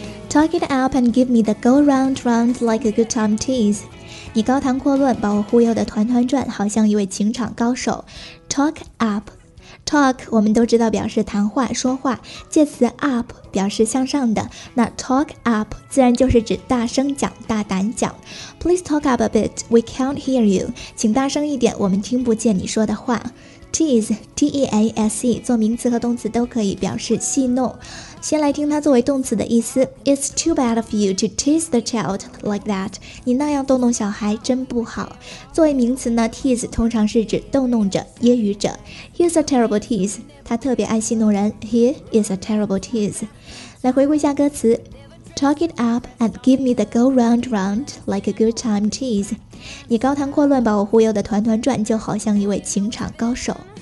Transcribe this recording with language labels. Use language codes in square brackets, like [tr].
[en] Talk it up and give me the go round round like a good time tease. [zh] 你高谈阔论，把我忽悠的团团转，好像一位情场高手。 Talk up. Talk 我们都知道表示谈话说话，介词 up 表示向上的，那 talk up 自然就是指大声讲，大胆讲。 [en] Please talk up a bit, we can't hear you. [zh] 请大声一点，我们听不见你说的话。Tease, T-E-A-S-E, 做名词和动词都可以表示戏弄。先来听它作为动词的意思。 [en] It's too bad of you to tease the child like that. [zh] 你那样逗弄小孩真不好。作为名词呢 ,tease 通常是指逗弄者、揶揄者。 [en] He's a terrible tease. [zh] 他特别爱戏弄人。 [en] He is a terrible tease. [zh] 来回顾一下歌词。 [en] Talk it up and give me the go round round like a good time tease. [zh] 你高谈阔论，把我忽悠的团团转，就好像一位情场高手。